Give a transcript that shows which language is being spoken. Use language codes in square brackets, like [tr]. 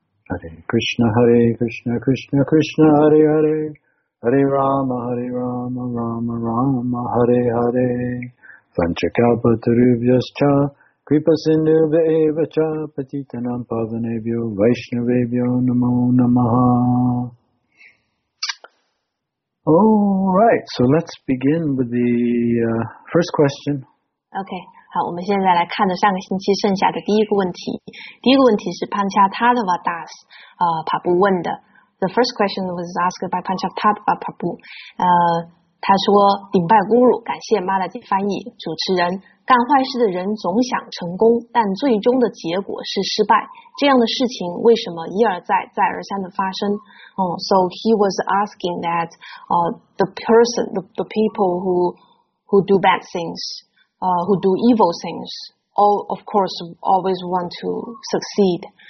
[sa] Hare Krishna, Hare Krishna, Krishna Krishna, Hare Hare, Hare Rama, Rama Rama, Hare Hare, Panchakalpa Tarubhyascha, Kripa Sindhu Vaivacha, Patitanam Pavanebhyo, Vaishnavebhyo, Namo Namaha. [en] Alright, so let's begin with the first question. Okay. [zh] 好，我们现在来看的上个星期剩下的第一个问题。第一个问题是 Panchatattva Das, 帕布问的。 [en] The first question was asked by Panchatattva Prabhu. [zh] 他说顶拜咕噜，感谢马拉吉翻译主持人。干坏事的人总想成功，但最终的结果是失败。这样的事情为什么一而再再而三的发生？ [en] So he was asking that, the people who do bad things,who do evil things, all of course always want to succeed.